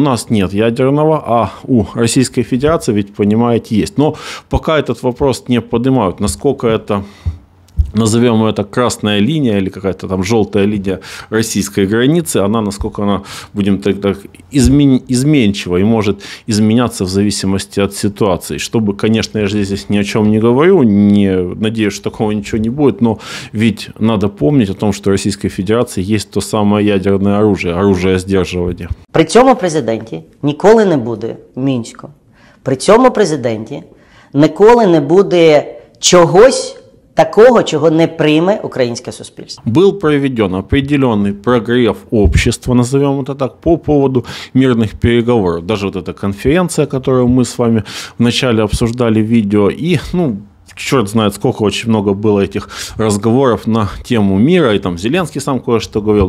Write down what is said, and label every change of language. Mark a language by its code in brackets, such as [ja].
[ru] У нас нет ядерного, а у Российской Федерации, ведь понимаете, есть. Но пока этот вопрос не поднимают, насколько это, назовем это красная линия или какая-то там желтая линия российской границы, она, насколько она, будем так изменчива и может изменяться в зависимости от ситуации. Чтобы, конечно, я же здесь ни о чем не говорю, не надеюсь, что такого ничего не будет, но ведь надо помнить о том, что у Российской Федерации есть то самое ядерное оружие, оружие сдерживания. [uk] При цьому президенті ніколи не буде Мінську. При цьому президенті ніколи не буде чогось такого, [ru] чего не примет украинское [uk] суспільство. [ru] Был проведен определенный прогрев общества, назовем это так, по поводу мирных переговоров. Даже вот эта конференция, которую мы с вами вначале обсуждали в видео, и, ну, черт знает, сколько очень много было этих разговоров на тему мира, и там Зеленский сам кое-что говорил.